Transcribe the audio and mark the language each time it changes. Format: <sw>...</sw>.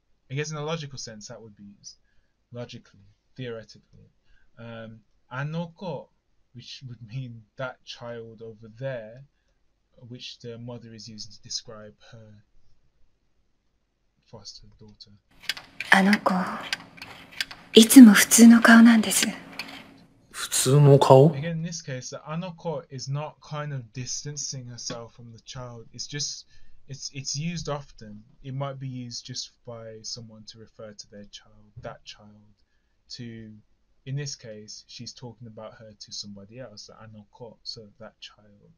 <en>I guess in a logical sense, that would be used. Logically, theoretically. Anoko. Which would mean that child over there, which the mother is using to describe her foster daughter.</en> <ja>あの子、いつも普通の顔なんです。普通の顔?</ja> <en>Again, in this case, あの子 is not kind of distancing herself from the child. It's just, it's used often. It might be used just by someone to refer to their child, that child, to... In this case, she's talking about her to somebody else, anoko, so that child.</en>